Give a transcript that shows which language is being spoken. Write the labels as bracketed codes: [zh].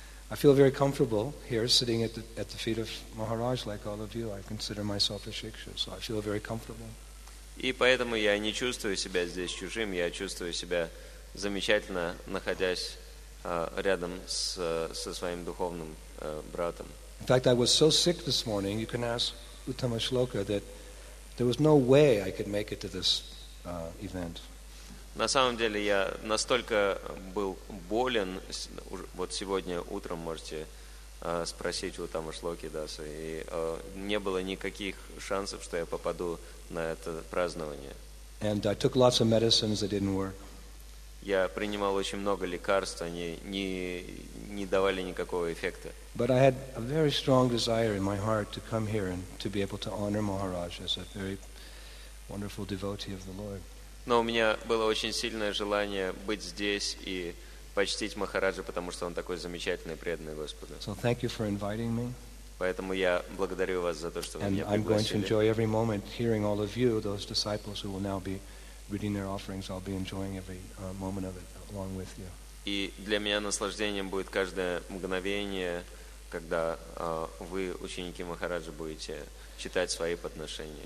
[en] I feel very comfortable here, sitting at the feet of Maharaj, like all of you. I consider myself a shiksha, so I feel very comfortable. [ru] И поэтому я не чувствую себя здесь чужим. Я чувствую себя замечательно, находясь рядом со своим духовным братом. [en] In fact, I was so sick this morning. You can ask Uttama Shloka that there was no way I could make it to this event. [ru] На самом деле, я настолько был болен, вот сегодня утром можете спросить у Тама Шлоки Даса, и не было никаких шансов, что я попаду на это празднование. [en] And I took lots of medicines that didn't work. [ru] Я принимал очень много лекарств, они не давали никакого эффекта. [en] But I had a very strong desire in my heart to come here and to be able to honor Maharaj as a very wonderful devotee of the Lord. [ru] Но у меня было очень сильное желание быть здесь и почтить Махараджа, потому что он такой замечательный, преданный Господу. [en] So thank you for inviting me. [ru] Поэтому я благодарю вас за то, что вы [en] and [ru] меня пригласили. [en] And I'm going to enjoy every moment hearing all of you, those disciples who will now be reading their offerings. I'll be enjoying every moment of it along with you. [ru] И для меня наслаждением будет каждое мгновение, когда вы, ученики Махараджа, будете читать свои подношения.